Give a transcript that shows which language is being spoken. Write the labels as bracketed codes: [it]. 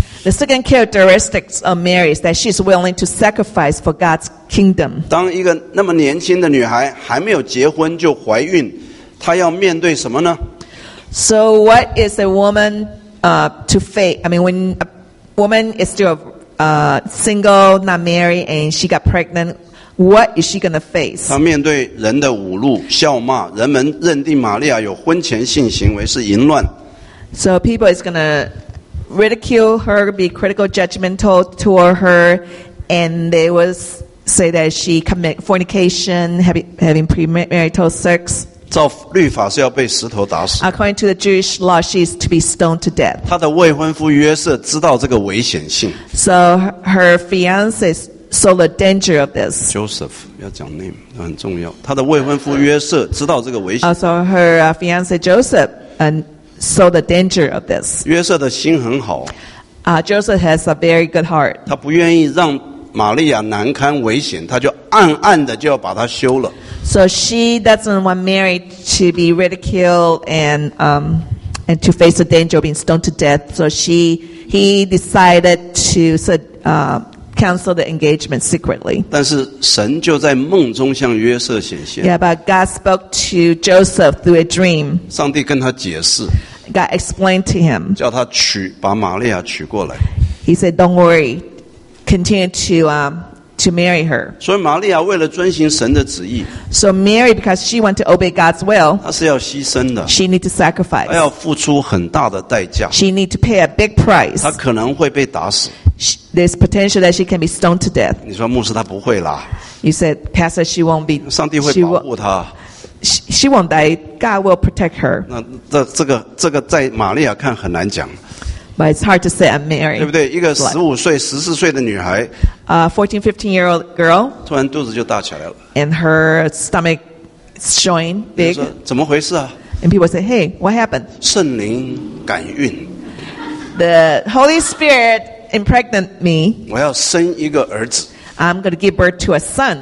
[en] The second characteristic of Mary is that she's willing to sacrifice for God's kingdom. [zh] 当一个那么年轻的女孩还没有结婚就怀孕，她要面对什么呢？ [en] So what is a woman to face? I mean, when a woman is still single, not married, and she got pregnant. What is she going to face? [zh] 她面对人的侮辱、笑骂，人们认定玛利亚有婚前性行为是淫乱。 [en] So people is going to ridicule her, be critical, judgmental toward her, and they will say that she commit fornication, having premarital sex. [zh] 照律法是要被石头打死。 [en] According to the Jewish law, she is to be stoned to death. [zh] 她的未婚夫约瑟知道这个危险性。 [en] So her fiance saw the danger of this. [zh] Joseph, 要讲 name, 那很重要。她的未婚夫约瑟知道这个危险。 [en] So her fiance Joseph saw the danger of this. [zh] 约瑟的心很好。 [en] Joseph has a very good heart. [zh] 他不愿意让玛利亚难堪危险，他就暗暗的就要把她休了。 [en] So she doesn't want Mary to be ridiculed and to face the danger of being stoned to death. So he decided to cancel the engagement secretly. [zh] 但是神就在梦中向约瑟显现。 [en] Yeah, but God spoke to Joseph through a dream. [zh] 上帝跟他解释。 [en] God explained to him. [zh] 叫他把玛利亚娶过来。 [en] He said, "Don't worry. Continue to." To marry her. [zh] 所以玛利亚为了遵行神的旨意。 [en] So Mary, because she wanted to obey God's will. [zh] 她是要牺牲的。 [en] She need to sacrifice. [zh] 她要付出很大的代价。 [en] She need to pay a big price. [zh] 她可能会被打死。 [en] There's potential that she can be stoned to death. [zh] 你说牧师她不会啦。 [en] You said, Pastor, she won't be. [zh] 上帝会保护她。 [en] She won't die. God will protect her. [zh] 那这个在玛利亚看很难讲。 [en] But it's hard to say I'm married. [zh] 对不对？一个15岁、14岁的女孩 [en] 14-15-year-old girl. [zh] 突然肚子就大起来了。 [en] And her stomach is showing big. [zh] 怎么回事啊？ [en] And people say, hey, what happened? [zh] 圣灵感孕。 [en] The Holy Spirit impregnated me. [zh] 我要生一个儿子。 [en] I'm going to give birth to a son.